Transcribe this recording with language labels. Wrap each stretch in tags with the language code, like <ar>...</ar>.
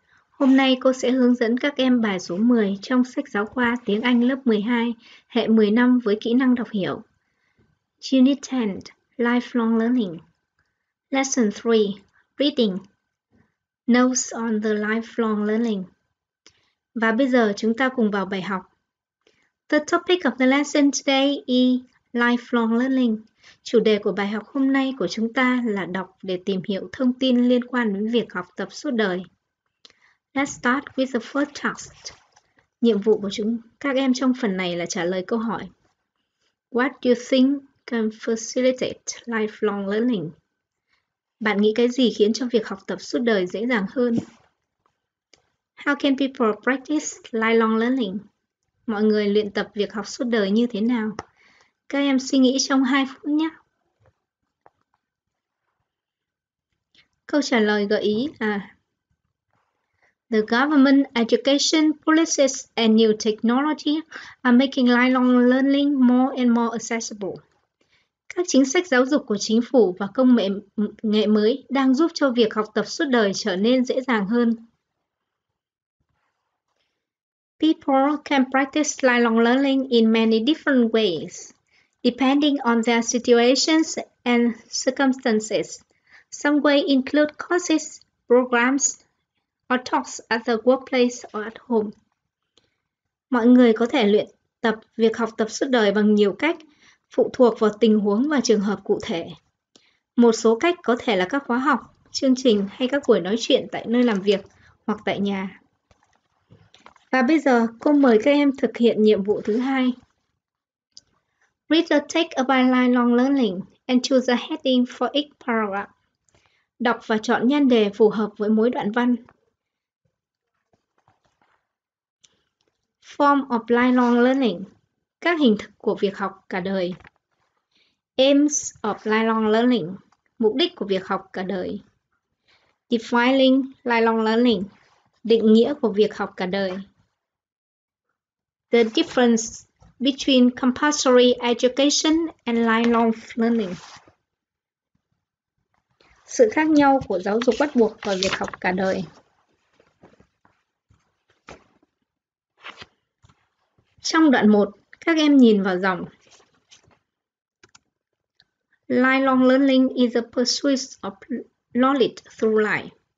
<vi>Hôm nay cô sẽ hướng dẫn các em bài số 10 trong sách giáo khoa tiếng Anh lớp 12, hệ 10 năm với kỹ năng đọc hiểu.</vi> <en>Unit 10, Lifelong Learning. Lesson 3, Reading. Notes on the Lifelong Learning.</en> <vi>Và bây giờ chúng ta cùng vào bài học.</vi> <en>The topic of the lesson today is Lifelong Learning.</en> <vi>Chủ đề của bài học hôm nay của chúng ta là đọc để tìm hiểu thông tin liên quan đến việc học tập suốt đời.</vi> <en>Let's start with the first task.</en> <vi>Nhiệm vụ của chúng các em trong phần này là trả lời câu hỏi.</vi> <en>What do you think can facilitate lifelong learning?</en> <vi>Bạn nghĩ cái gì khiến cho việc học tập suốt đời dễ dàng hơn?</vi> <en>How can people practice lifelong learning?</en> <vi>Mọi người luyện tập việc học suốt đời như thế nào? Các em suy nghĩ trong 2 phút nhé. Câu trả lời gợi ý là</vi> <en>The government education policies and new technology are making lifelong learning more and more accessible.</en> <vi>Các chính sách giáo dục của chính phủ và công nghệ mới đang giúp cho việc học tập suốt đời trở nên dễ dàng hơn.</vi> <en>People can practice lifelong learning in many different ways, depending on their situations and circumstances. Some ways include courses, programs, or talks at the workplace or at home.</en> <vi>Mọi người có thể luyện tập việc học tập suốt đời bằng nhiều cách, phụ thuộc vào tình huống và trường hợp cụ thể. Một số cách có thể là các khóa học, chương trình hay các buổi nói chuyện tại nơi làm việc hoặc tại nhà. Và bây giờ, cô mời các em thực hiện nhiệm vụ thứ hai.</vi> <en>Read the text about lifelong learning and choose a heading for each paragraph.</en> <vi>Đọc và chọn nhan đề phù hợp với mỗi đoạn văn.</vi> <en>Form of lifelong learning.</en> <vi>Các hình thức của việc học cả đời.</vi> <en>Aims of lifelong learning.</en> <vi>Mục đích của việc học cả đời.</vi> <en>Defining lifelong learning.</en> <vi>Định nghĩa của việc học cả đời.</vi> <en>The difference between compulsory education and lifelong learning.</en> <vi>Sự khác nhau của giáo dục bắt buộc và việc học cả đời. Trong đoạn 1, các em nhìn vào dòng.</vi> <en>Lifelong learning is a pursuit of knowledge through life.</en>